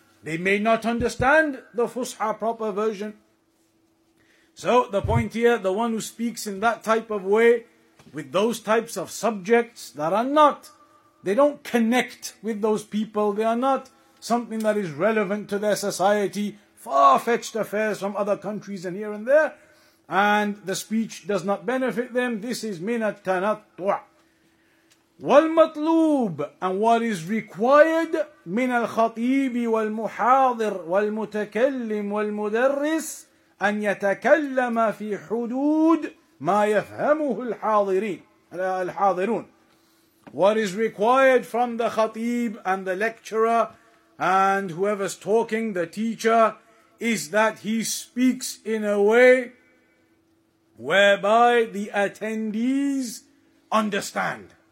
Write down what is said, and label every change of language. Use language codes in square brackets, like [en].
[en] They may not understand the Fusha proper version. So the point here, the one who speaks in that type of way, with those types of subjects that are not, they don't connect with those people, they are not something that is relevant to their society, far-fetched affairs from other countries and here and there, and the speech does not benefit them, this is [ar] min at-tanattu'. والمطلوب [en] and what is required [ar] من الخطيب والمحاضر والمتكلم والمدرس أن يتكلم في حدود ما يفهمه الحاضرين الحاضرون. [en] What is required from the khatib and the lecturer and whoever's talking, the teacher, is that he speaks in a way whereby the attendees understand.